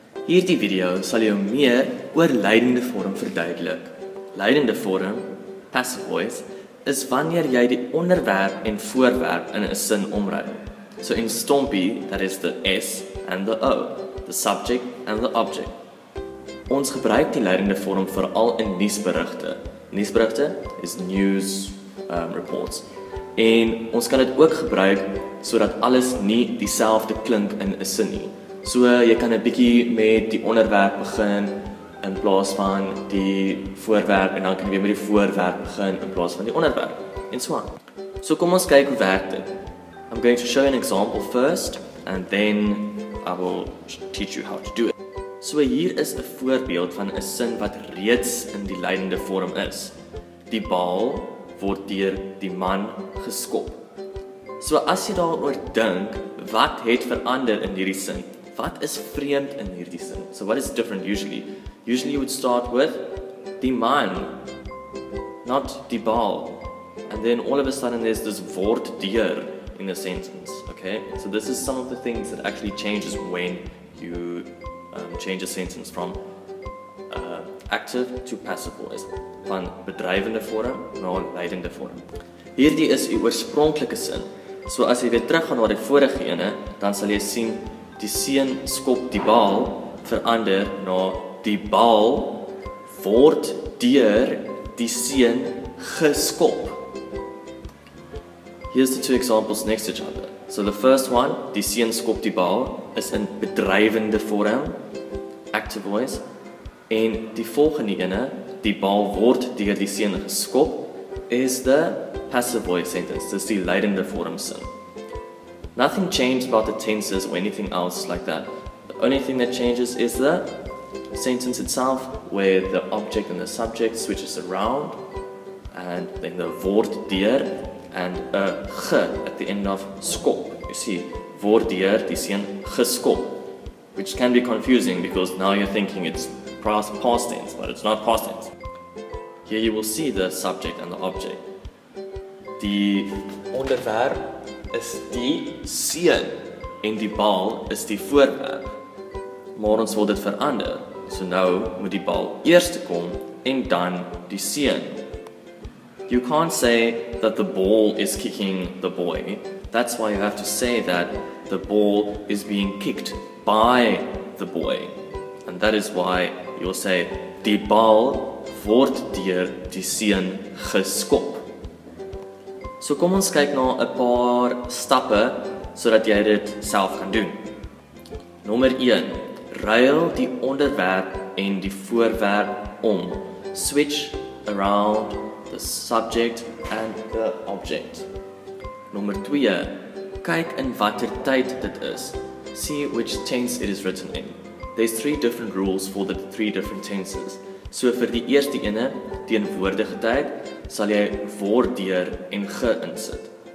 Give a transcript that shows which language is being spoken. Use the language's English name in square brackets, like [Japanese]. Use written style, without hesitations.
[Afrikaans] Hierdie video sal jou meer oor lydende vorm verduidelik. Lydende vorm, passive voice, is wanneer jy die onderwerp en voorwerp in 'n sin omruil. [English] So in Stompie, that is the S and the O, the subject and the object. [Afrikaans] Ons gebruik die lydende vorm veral in nuusberigte. Nuusberigte is [English] news reports. [Afrikaans] En ons kan dit ook gebruik sodat alles nie dieselfde klink in 'n sin nie. So jy kan 'n bietjie met die onderwerp begin in plaas van die voorwerp en dan kan jy weer met die voorwerp begin in plaas van die onderwerp en so aan. So kom ons kyk hoe werk dit. [English] I'm going to show an example first and then I will teach you how to do it. [Afrikaans] So hier is 'n voorbeeld van 'n sin wat reeds in die lydende vorm is. Die bal word deur die man geskop. So as jy daaroor dink, wat het verander in hierdie sin? Wat is vreemd in hierdie sin? [English] So what is different usually? Usually you would start with [Afrikaans] die man, [English] not [Afrikaans] die bal. [English] And then all of a sudden there's this word deur in a sentence, okay? So this is some of the things that actually changes when you change a sentence from active to passive voice. [Afrikaans] Van bedrywende vorm na lydende vorm. Hierdie is die oorspronklike sin. So as jy weer teruggaan na die vorige ene, dan sal jy sien die seun skop die bal verander na die bal word deur die seun geskop. [English] Here's the two examples next to each other. So the first one, [Afrikaans] die seun skop die bal, [English] is in [Afrikaans] bedrywende vorm, [English] active voice. [Afrikaans] En die volgende ene, die bal word deur die seun geskop, [English] is the passive voice sentence, [Afrikaans] dis die lydende vorm sin. [English] Nothing changed about the tenses or anything else like that. The only thing that changes is the sentence itself, where the object and the subject switches around, and then the word deur and a g at the end of skop. You see, [Afrikaans] word deur die seun geskop, [English] which can be confusing because now you're thinking it's past tense, but it's not past tense. Here you will see the subject and the object. [Afrikaans] Die onderwerp is die seun en die bal is die voorwerp. Maar ons wil dit verander. So nou moet die bal eerst kom en dan die seun. [English] You can't say that the ball is kicking the boy. That's why you have to say that the ball is being kicked by the boy. And that is why you'll say [Afrikaans] die bal word deur die seun geskop. So kom ons kyk na 'n paar stappe sodat jy dit self kan doen. Nommer 1: ruil die onderwerp en die voorwerp om. [English] Switch around the subject and the object. [Afrikaans] Nommer 2: kyk in watter tyd dit is. [English] See which tense it is written in. There's three different rules for the three different tenses. [Afrikaans] So vir die eerste ene, teenwoordige tyd, sal jy word deur en ge insit.